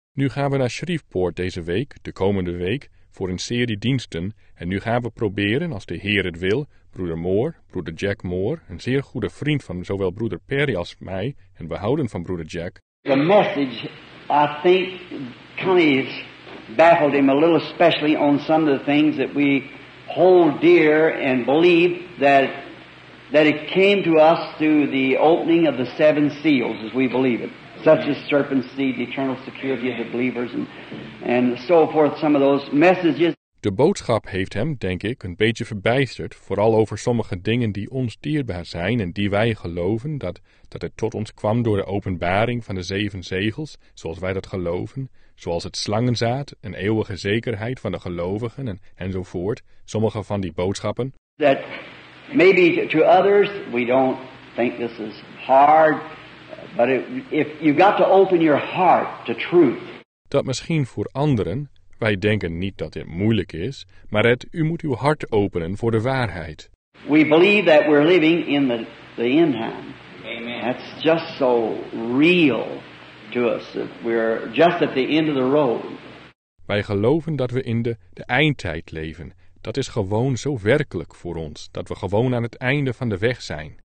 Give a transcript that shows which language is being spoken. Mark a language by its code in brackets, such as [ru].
[nl] Nu gaan we naar Shreveport deze week, de komende week. voor een serie diensten en nu gaan we proberen, als de Heer het wil, broeder Moore, broeder Jack Moore, een zeer goede vriend van zowel broeder Perry als mij, en we houden van broeder Jack. [en] The message, I think, kind of has baffled him a little, especially on some of the things that we hold dear and believe that it came to us through the opening of the seven seals, as we believe it. Such as serpent seed, the eternal security of the believers, and so forth, some of those messages. [nl] De boodschap heeft hem, denk ik, een beetje verbijsterd, vooral over sommige dingen die ons dierbaar zijn en die wij geloven, dat het tot ons kwam door de openbaring van de zeven zegels, zoals wij dat geloven, zoals het slangenzaad, een eeuwige zekerheid van de gelovigen enzovoort, sommige van die boodschappen. [en] That maybe to others, we don't think this is hard, but if you got to open your heart to truth. [nl] Dat misschien voor anderen, wij denken niet dat dit moeilijk is, maar het, u moet uw hart openen voor de waarheid. [en] We believe that we're living in the end time. Amen. That's just so real to us. We're just at the end of the road. [nl] Wij geloven dat we in de eindtijd leven. Dat is gewoon zo werkelijk voor ons, dat we gewoon aan het einde van de weg zijn.